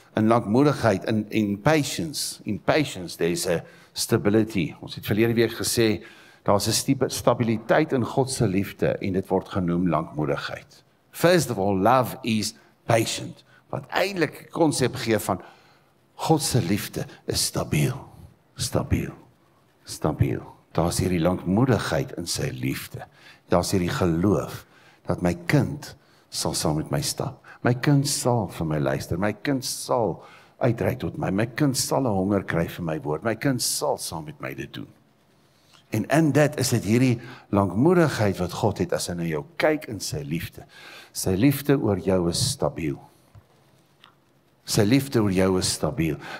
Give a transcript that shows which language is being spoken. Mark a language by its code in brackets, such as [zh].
[af] In langmoedigheid, [en] in patience, there is a stability. [af] Ons het verlede week gesê, daar is een stabiliteit in Godse liefde, en dit word genoem langmoedigheid. [en] First of all, love is patient. [af] Wat eindelijk concept geef van, Godse liefde is stabiel. Daar is hierdie langmoedigheid in sy liefde. Daar is hierdie geloof dat my kind sal saam met my stap. My kind sal vir my luister. My kind sal uitreik tot my. My kind sal 'n honger kry vir my woord. My kind sal saam met my dit doen. En in dit is dit hierdie langmoedigheid wat God het as hy na jou kyk in sy liefde. Sy liefde oor jou is stabiel. Sy liefde oor jou is stabiel.